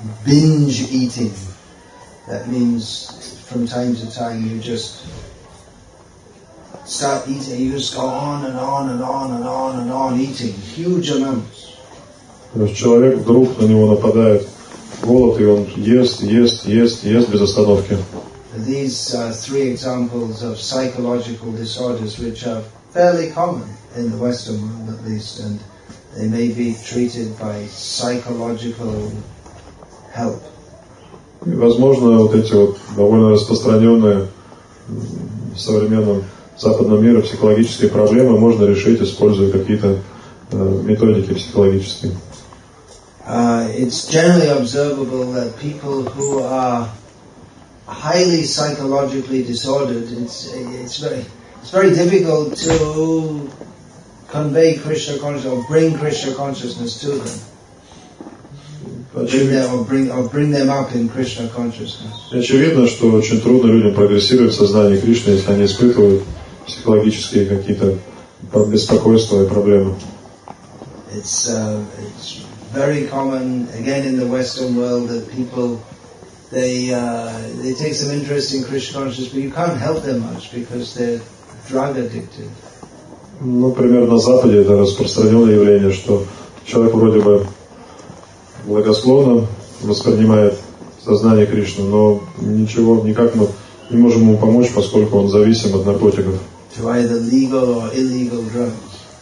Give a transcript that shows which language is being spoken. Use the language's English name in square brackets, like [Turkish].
[English] Binge eating. That means from time to time you just start eating, you just go on and on and on and on and on eating huge amounts. [Russian] То есть человек вдруг на него нападает голод, и он ест, ест, ест, ест без остановки. [English] These are three examples of psychological disorders which are fairly common in the Western world, at least, and they may be treated by psychological help. [Russian] И, возможно, вот эти вот довольно распространенные в современном западном мире психологические проблемы можно решить, используя какие-то методики психологические. [English] It's generally observable that people who are highly psychologically disordered, it's very difficult to convey Krishna consciousness or bring Krishna consciousness to them. Bring them up in Krishna consciousness. [Russian] Очевидно, что очень трудно людям прогрессировать в сознании Кришны, если они испытывают психологические какие-то беспокойства и проблемы. [English] It's very common again in the Western world that people they take some interest in Krishna consciousness, but you can't help them much because they're drug addicted. [Russian] Ну, например, на Западе это распространенное явление, что человек вроде бы благосклонно воспринимает сознание Кришны, но ничего, никак мы не можем ему помочь, поскольку он зависим от наркотиков. [English] To either legal or illegal drugs.